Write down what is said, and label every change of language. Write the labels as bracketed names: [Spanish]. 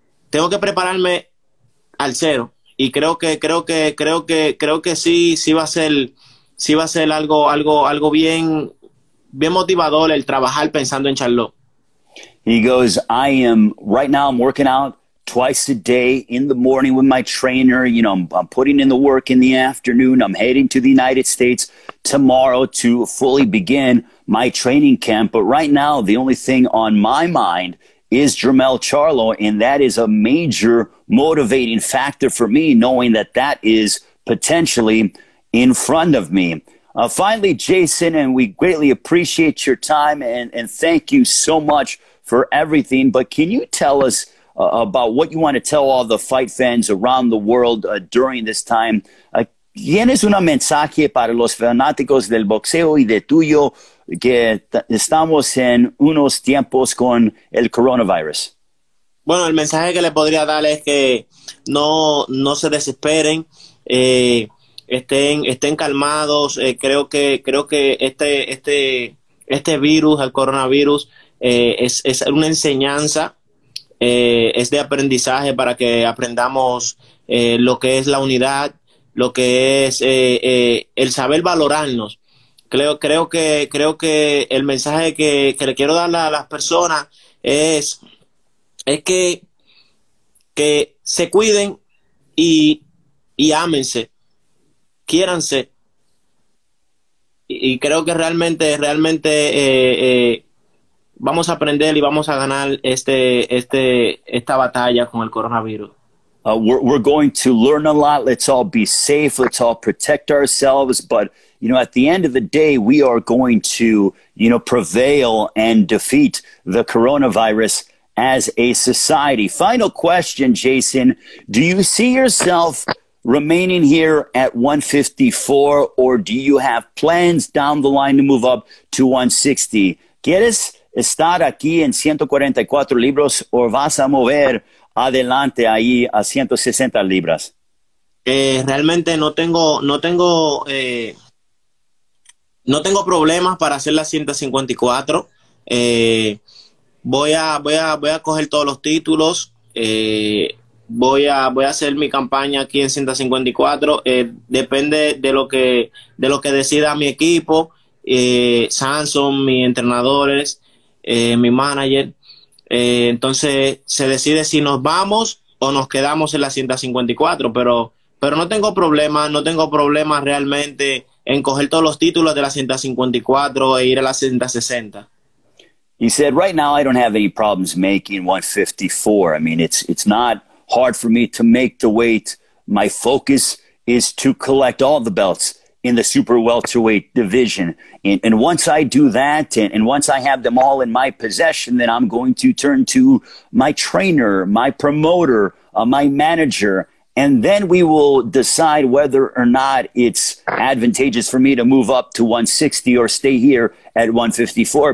[Spanish] Tengo que prepararme al cero y creo que sí, sí va a ser algo bien bien motivador el trabajar pensando en Charlotte. [English] He goes, I am right now, I'm working out twice a day in the morning with my trainer. You know, I'm putting in the work in the afternoon. I'm heading to the United States tomorrow to fully begin my training camp. But right now, the only thing on my mind is Jermell Charlo, and that is a major motivating factor for me, knowing that that is potentially in front of me. Finally, Jason, and we greatly appreciate your time, and thank you so much for everything, but can you tell us about what you want to tell all the fight fans around the world during this time? [Spanish] ¿Tienes un mensaje para los fanáticos del boxeo y de tuyo que estamos en unos tiempos con el coronavirus? Bueno, el mensaje que le podría dar es que no se desesperen, estén calmados. Creo que este virus, el coronavirus, es una enseñanza, es de aprendizaje para que aprendamos lo que es la unidad, lo que es el saber valorarnos. Creo que el mensaje que le quiero dar a las personas es que se cuiden y ámense, quiéranse. Y creo que realmente vamos a aprender y vamos a ganar esta batalla con el coronavirus. [English] We're going to learn a lot. Let's all be safe. Let's all protect ourselves. But, you know, at the end of the day, we are going to, you know, prevail and defeat the coronavirus as a society. Final question, Jason. Do you see yourself remaining here at 154, or do you have plans down the line to move up to 160? [Spanish] ¿Quieres estar aquí en 144 libros o vas a mover adelante ahí a 160 libras? Realmente no tengo problemas para hacer las 154. Voy a coger todos los títulos. Voy a hacer mi campaña aquí en 154. Depende de lo que decida mi equipo, Samson, mis entrenadores, mi manager. Entonces se decide si nos vamos o nos quedamos en la 154, pero no tengo problema realmente en coger todos los títulos de la 154 e ir a la 160. [English] He said, right now I don't have any problems making 154. I mean, it's not hard for me to make the weight. My focus is to collect all the belts in the super welterweight division. And once I do that, and once I have them all in my possession, then I'm going to turn to my trainer, my promoter, my manager, and then we will decide whether or not it's advantageous for me to move up to 160 or stay here at 154.